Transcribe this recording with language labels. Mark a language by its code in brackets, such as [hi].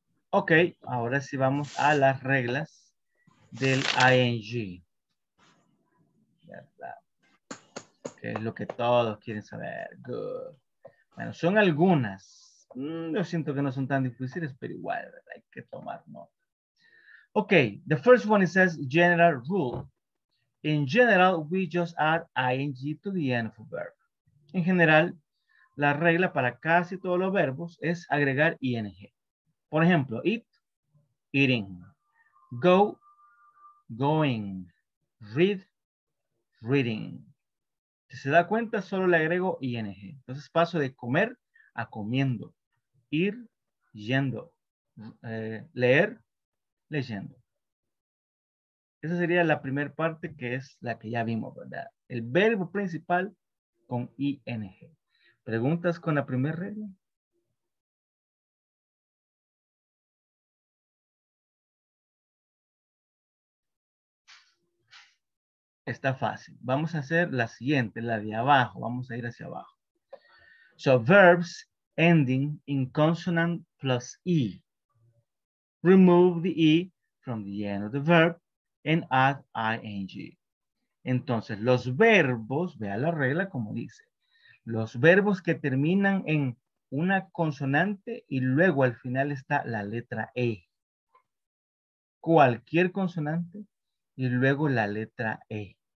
[es] Ok, ahora sí vamos a las reglas del ING. ¿Qué es lo que todos quieren saber? Good. Bueno, son algunas. Yo siento que no son tan difíciles, pero igual, ¿verdad? Hay que tomar nota. [en] Okay, the first one, it says general rule. In general, we just add ing to the end of a verb. [es] En general, la regla para casi todos los verbos es agregar ing. Por ejemplo, [en] eat, eating. Go, going. [es] Read, reading. Si se da cuenta, solo le agrego ing. Entonces paso de comer a comiendo. Ir, yendo. Leer, leyendo. Esa sería la primera parte que es la que ya vimos, ¿verdad? El verbo principal con ing. ¿Preguntas con la primera regla? Está fácil. Vamos a hacer la siguiente, la de abajo. Vamos a ir hacia abajo. [en] So, verbs ending in consonant plus e. Remove the e from the end of the verb and add ing. [es] Entonces, los verbos, vea la regla como dice, los verbos que terminan en una consonante y luego al final está la letra e. Cualquier consonante y luego la letra e.